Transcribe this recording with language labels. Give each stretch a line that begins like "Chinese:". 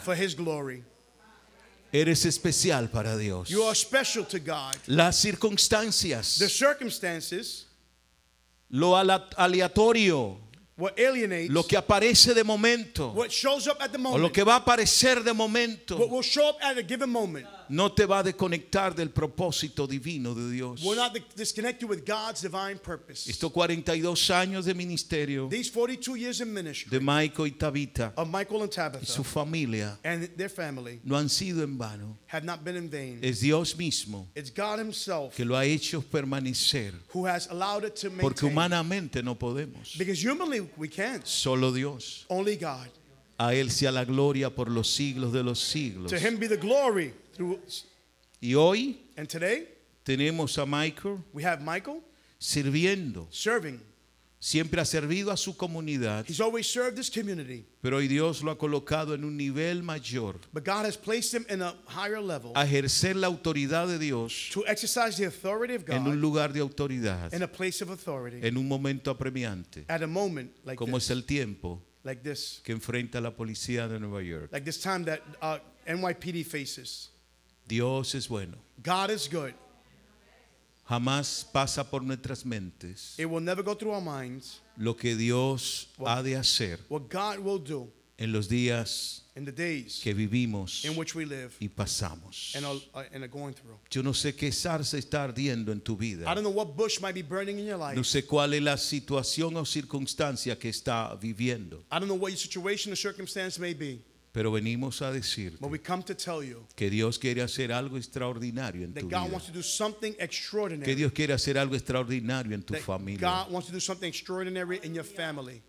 English: for His glory.
Spanish: Eres especial para Dios.
English: You are special to God.
Spanish: Las circunstancias,
English: the circumstances.
Spanish: Lo aleatorio,
English: what alienates,
Spanish: lo que aparece de momento,
English: what shows up at the moment,
Spanish: o lo que va a aparecer de momento,
English: what will show up at a given moment,
Spanish: no te va a desconectar del propósito divino de Dios.
English: Will not disconnect you with God's divine purpose.
Spanish: Estos 42 años de ministerio,
English: these 42 years in ministry,
Spanish: de Michael y Tabitha,
English: of Michael and Tabitha,
Spanish: y su familia,
English: and their family,
Spanish: no han sido en vano.
English: Have not been in vain.
Spanish: Es Dios mismo,
English: it's God Himself,
Spanish: que lo ha hecho permanecer,
English: who has allowed it to maintain.
Spanish: Porque humanamente no podemos.
English: Because humanly we can't.
Spanish: Solo Dios.
English: Only God.
Spanish: A Él sea la gloria por los siglos de los siglos.
English: To Him be the glory.
Spanish: Y hoy,
English: and today,
Spanish: tenemos a Michael,
English: we have Michael
Spanish: sirviendo,
English: serving.
Spanish: Siempre ha servido a su comunidad.
English: He's always served his community.
Spanish: Pero hoy Dios lo ha colocado en un nivel mayor.
English: But God has placed him in a higher level.
Spanish: A ejercer la autoridad de Dios.
English: To exercise the authority of God.
Spanish: En un lugar de autoridad.
English: In a place of authority.
Spanish: En un momento apremiante.
English: At a moment like
Spanish: como
English: this.
Spanish: Como es el tiempo.
English: Like this.
Spanish: Que enfrenta la policía de Nueva York.
English: Like this time that NYPD faces.
Spanish: Dios es bueno.
English: God is good.
Spanish: Jamás pasa por nuestras mentes.
English: It will never go through our minds.
Spanish: Lo que Dios ha de hacer.
English: What God will do.
Spanish: En los días.
English: In the days.
Spanish: Que vivimos.
English: In which we live.
Spanish: Y pasamos.
English: And are going through.
Spanish: Yo no sé qué zarza está ardiendo en tu vida.
English: I don't know what bush might be burning in your life.
Spanish: No sé cuál es la situación o circunstancia que está viviendo.
English: I don't know what your situation or circumstance may be.
Spanish: Pero venimos a decir que Dios quiere hacer algo extraordinario en tu vida.
English: Wants to do something extraordinary.
Spanish: Que Dios quiere hacer algo extraordinario en tu familia.
English: God wants to do something extraordinary in your family.